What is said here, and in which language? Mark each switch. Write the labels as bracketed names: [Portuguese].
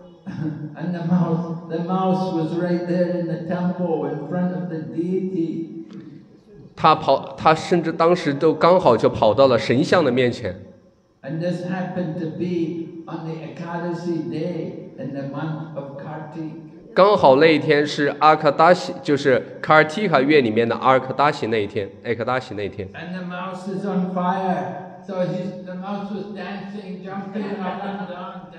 [English] And the mouse was right there in the temple in front of the deity. [Chinese] 他甚至当时都刚好就跑到了神像的面前。 [English] And this happened to be on the Ekadasi day in the month of Kartik. [Chinese] 刚好那一天是阿卡达西，就是卡尔提卡月里面的阿尔克达西那一天，艾克达西那一天。 [English] And the mouse is on fire. So the mouse was dancing, jumping up and down.